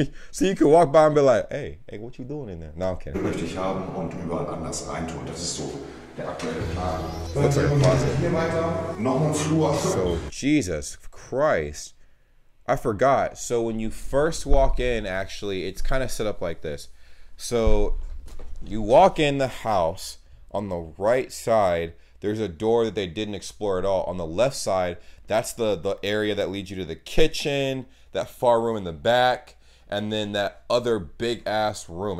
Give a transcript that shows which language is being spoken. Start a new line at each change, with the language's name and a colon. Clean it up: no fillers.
English: So you could walk by and be like, hey, what you doing in there? No, I'm kidding.
German: Möchte ich haben und überall anders reintun. Das ist so der aktuelle Plan.
English: Looks like a closet.
German: Hier weiter, noch ein Flur.
English: So, Jesus Christ. I forgot. So when you first walk in, actually, it's kind of set up like this. So you walk in the house on the right side. There's a door that they didn't explore at all. On the left side, that's the area that leads you to the kitchen, that far room in the back, and then that other big ass room.